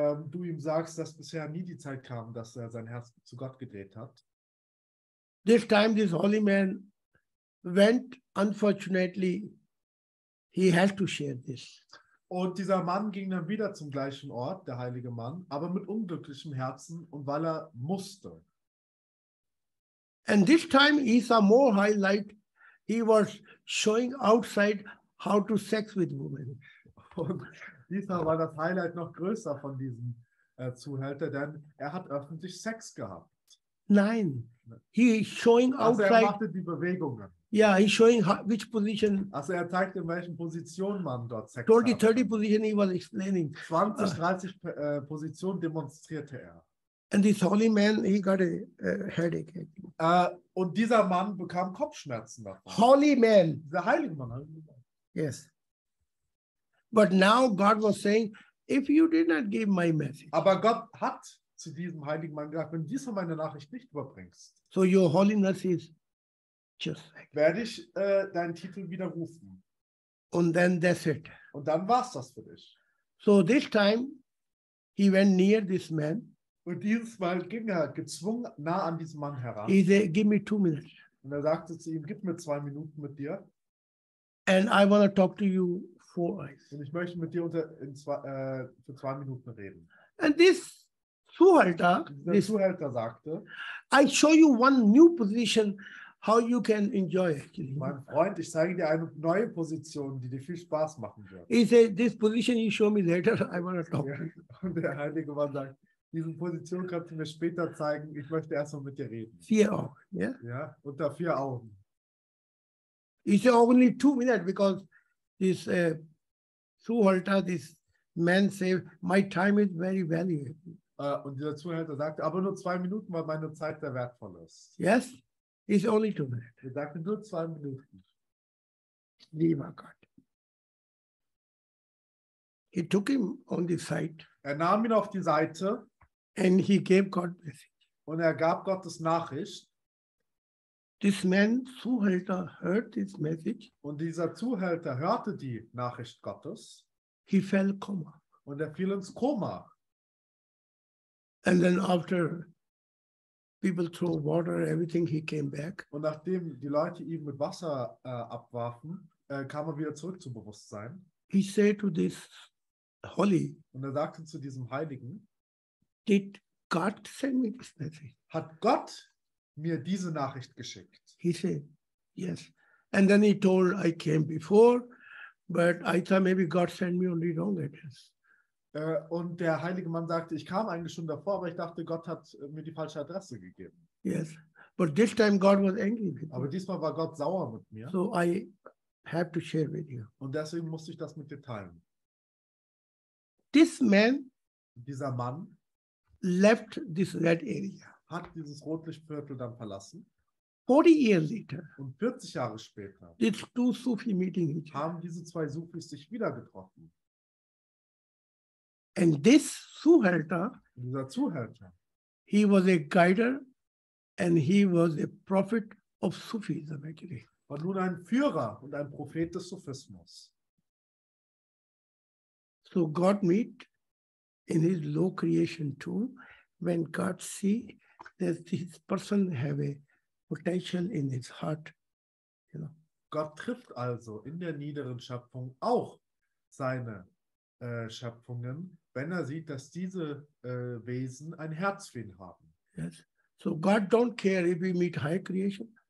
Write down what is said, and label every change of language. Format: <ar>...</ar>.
<de>Du ihm sagst, dass bisher nie die Zeit kam, dass er sein Herz zu Gott gedreht hat.</de> <en>This time this holy man went, unfortunately, he has to share this.</en> <de>Und dieser Mann ging dann wieder zum gleichen Ort, der heilige Mann, aber mit unglücklichem Herzen und weil er musste.</de> <en>And this time he saw more highlight. He was showing outside how to sex with women.</en> <de>Und diesmal war das Highlight noch größer von diesem Zuhälter, denn er hat öffentlich Sex gehabt. Nein,</de> <en>he is showing outside.</en> <de>Also er machte die Bewegungen. Ja,</de> <en>yeah, he's showing which position.</en> <de>Also er zeigt, in welchen Position man dort Sex</de> <en>20, 30 position he was explaining.</en> <de>20, 30 Positionen demonstrierte er.</de> <en>And this holy man, he got a headache.</en> <de>Und dieser Mann bekam Kopfschmerzen davon.</de> <en>Holy man.</en> <de>Der heilige Mann.</de> <en>Yes. But now God was saying, if you did not give my message.</en> <de>Aber Gott hat zu diesem heiligen Mann gesagt, wenn du diese meine Nachricht nicht überbringst.</de> <en>So your holiness is just like.</en> <de>Werde ich deinen Titel widerrufen.</de> <en>And then that's it.</en> <de>Und dann war's das für dich.</de> <en>So this time he went near this man.</en> <de>Und dieses Mal ging er gezwungen nah an diesen Mann heran.</de> <en>He said, give me 2 minutes.</en> <de>Und er sagte zu ihm, gib mir 2 Minuten mit dir.</de> <en>And I want to talk to you 4 eyes.</en> <de>Und ich möchte mit dir für 2 Minuten reden.</de> <en>And this Zuhälter,</en> <de>der Zuhälter sagte,</de> <en>I show you one new position, how you can enjoy actually.</en> <de>Mein Freund, ich zeige dir eine neue Position, die dir viel Spaß machen wird.</de> <en>He said, this position you show me later, I want to talk to you.</en> <de>Und der heilige Mann sagt, diese Position kannst du mir später zeigen. Ich möchte erst mal mit dir reden. 4 Augen, ja? Ja, unter 4 Augen.</de> <en>It's only 2 minutes, because this Zuhälter, this man say, my time is very valuable.</en> <de>Und dieser Zuhälter sagte, aber nur 2 Minuten, weil meine Zeit sehr wertvoll ist.</de> <en>Yes, it's only 2 minutes.</en> <de>Er sagte, nur 2 Minuten. Lieber Gott.</de> <en>He took him on the side.</en> <de>Er nahm ihn auf die Seite.</de> <en>And he gave God message.</en> <de>Und er gab Gottes Nachricht.</de> <en>This man, Zuhälter, heard this message.</en> <de>Und dieser Zuhälter hörte die Nachricht Gottes.</de> <en>He fell coma.</en> <de>Und er fiel ins Koma.</de> <en>And then after people threw water, everything, he came back.</en> <de>Und nachdem die Leute ihn mit Wasser abwarfen, kam er wieder zurück zum Bewusstsein.</de> <en>He said to this holy.</en> <de>Und er sagte zu diesem Heiligen.</de> <en>Did God send me this message?</en> <de>Hat Gott mir diese Nachricht geschickt?</de> <en>He said, yes. And then he told, I came before, but I thought maybe God sent me only wrong address.</en> <de>Und der heilige Mann sagte, ich kam eigentlich schon davor, aber ich dachte, Gott hat mir die falsche Adresse gegeben.</de> <en>Yes, but this time God was angry with me.</en> <de>Aber diesmal war Gott sauer mit mir.</de> <en>So I have to share with you.</en> <de>Und deswegen musste ich das mit dir teilen.</de> <en>This man,</en> <de>dieser Mann,</de> <en>left this red area.</en> <de>Hat dieses Rotlichtviertel dann verlassen.</de> <en>40 years later.</en> <de>Und 40 Jahre später.</de> <en>These two Sufi meeting each other.</en> <de>Haben diese zwei Sufis sich wieder getroffen.</de> <en>And this Zuhälter.</en> <de>Dieser Zuhälter.</de> <en>He was a guider and he was a prophet of Sufism actually.</en> <de>War nun ein Führer und ein Prophet des Sufismus.</de> <en>So God meet in his low creation too, when God see that this person have a potential in his heart, you know.</en> <de>Gott trifft also in der niederen Schöpfung auch seine Schöpfungen, wenn er sieht, dass diese Wesen ein Herz für ihn haben.</de> <en>Yes. So God don't care if we meet high creation.</en>